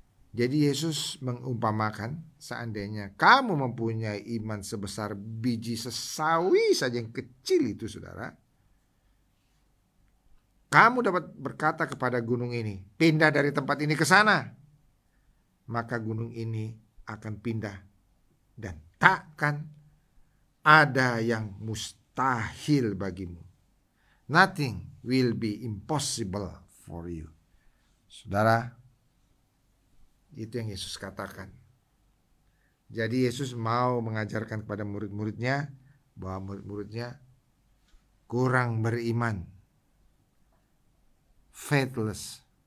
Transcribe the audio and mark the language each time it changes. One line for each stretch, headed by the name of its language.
Indonesian: Jadi Yesus mengumpamakan, seandainya kamu mempunyai iman sebesar biji sesawi saja yang kecil itu, saudara, kamu dapat berkata kepada gunung ini, pindah dari tempat ini ke sana, maka gunung ini akan pindah dan takkan ada yang mustahil bagimu.
English: Nothing will be impossible for you.
Indonesian: Saudara, itu yang Yesus katakan. Jadi Yesus mau mengajarkan kepada murid-muridnya bahwa murid-muridnya kurang beriman, faithless.